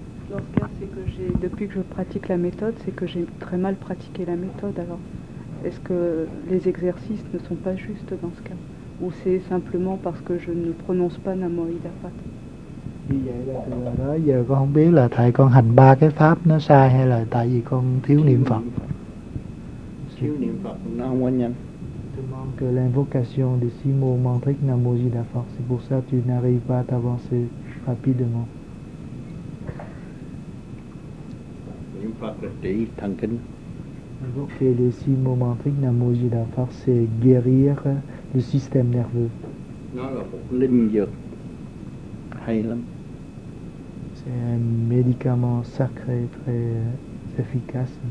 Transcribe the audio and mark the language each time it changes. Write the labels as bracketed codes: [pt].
[fr] Dans ce cas, c'est que depuis que je pratique la méthode, c'est que j'ai très mal pratiqué la méthode. Alors, est-ce que les exercices ne sont pas justes dans ce cas? Ou c'est simplement parce que je ne prononce pas Namo Amida Phật? [vi] Vì vậy là từ đó giờ con không biết là tại con hành ba cái pháp nó sai hay là tại vì con thiếu niệm Phật. Thiếu niệm Phật nó không có nhanh. [fr] Demande que l'invocation des six mots mantriques Namo Amida Phật. C'est pour ça que tu n'arrives pas à t'avancer rapidement. [vi] Niệm Phật là trị thần kinh. [fr] Invoquer les six mots mantriques Namo Amida Phật, c'est guérir le système nerveux. [vi] Nó là một linh dược hay lắm. [fr] C'est un médicament sacré très efficace.